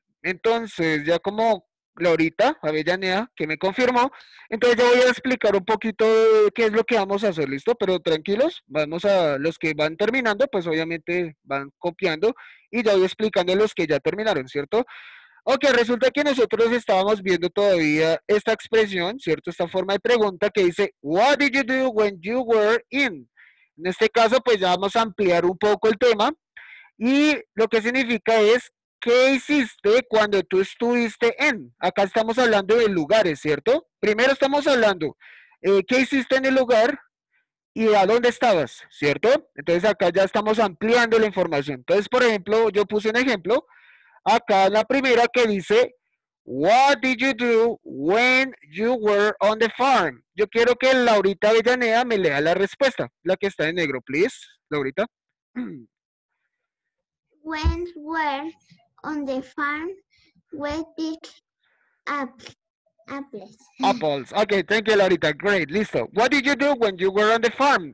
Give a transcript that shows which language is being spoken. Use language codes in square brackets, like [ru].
[es] Entonces, ya como Laurita, Avellaneda, que me confirmó, entonces ya voy a explicar un poquito qué es lo que vamos a hacer, ¿listo? Pero tranquilos, vamos a los que van terminando, pues obviamente van copiando y ya voy explicando a los que ya terminaron, ¿cierto? Ok, resulta que nosotros estábamos viendo todavía esta expresión, ¿cierto? Esta forma de pregunta que dice, [en] What did you do when you were in? [es] En este caso, pues ya vamos a ampliar un poco el tema. Y lo que significa es, ¿qué hiciste cuando tú estuviste en? Acá estamos hablando de lugares, ¿cierto? Primero estamos hablando, ¿qué hiciste en el lugar y a dónde estabas? ¿Cierto? Entonces acá ya estamos ampliando la información. Entonces, por ejemplo, yo puse un ejemplo. Acá la primera que dice, [en] What did you do when you were on the farm? [es] Yo quiero que Laurita Avellaneda me lea la respuesta, la que está en negro, please, Laurita. [en] When were on the farm, we picked apples. Apples. Ok, thank you, Laurita. Great, listo. What did you do when you were on the farm?